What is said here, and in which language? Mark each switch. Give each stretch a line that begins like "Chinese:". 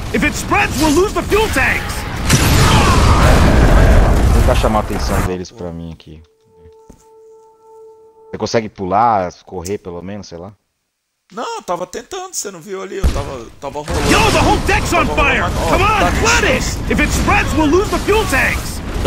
English: If it spreads, we'll lose the fuel tanks!
Portuguese: Vou tentar chamar a atenção deles pra mim aqui. Você consegue pular, correr pelo menos, sei lá? Não, eu tava tentando, você não viu ali, eu tava rolando.
English: Yo, the whole deck's on fire! Come on, flood it! If it spreads, we'll lose the fuel tanks!